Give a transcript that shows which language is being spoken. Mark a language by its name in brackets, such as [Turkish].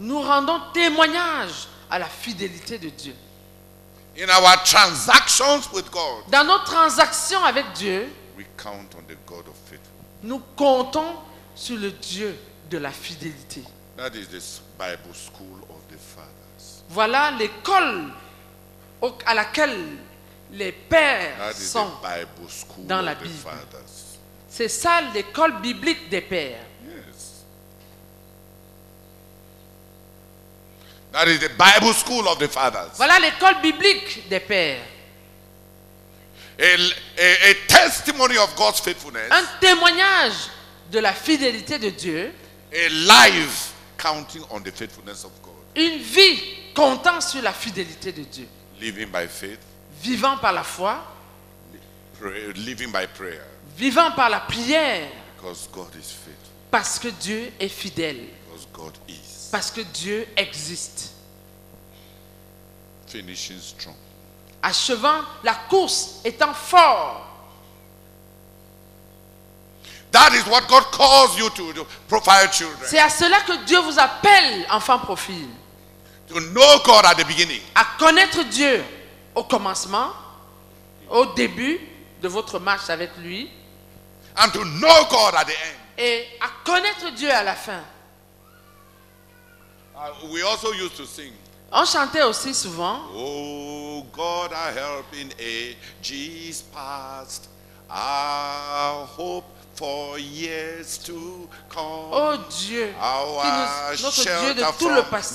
[French] Nous rendons témoignage à la fidélité de Dieu. [English] In our transactions with God, [French] dans nos transactions avec Dieu, [English] we count on the God of faithfulness. [French] Nous comptons sur le Dieu de la fidélité. [English] That is the Bible school of the fathers. [French] Voilà l'école à laquelle les pères sont [English] the Bible school [French] dans [English] of [French] la [English] the Bible. Fathers. [French] C'est ça l'école biblique des pères. [English] Yes. That is the Bible school of the fathers. [French] Voilà l'école biblique des pères. [English] A testimony of God's faithfulness. [French] Un témoignage de la fidélité de Dieu. [English] A life counting on the faithfulness of God. [French] Une vie comptant sur la fidélité de Dieu. [English] Living by faith. [French] Vivant par la foi. [English] Living by prayer. [French] Vivant par la prière. [English] Because God is faithful. [French] Parce que Dieu est fidèle. [English] Because God is. [French] Parce que Dieu existe. [English] Finishing strong. [French] Achevant la course, étant fort. [English] That is what God calls you to do, profile children. [French] C'est à cela que Dieu vous appelle, enfant profil. [English] To know God at the beginning. [French] À connaître Dieu au commencement, au début de votre marche avec lui. [English] And to know God at the end. [French] Et à connaître Dieu à la fin. [English] We also used to sing. [French] On chantait aussi souvent. [English] Oh God, our help in ages past, our hope for years to come. [French] Oh Dieu, notre Dieu de tout le passé.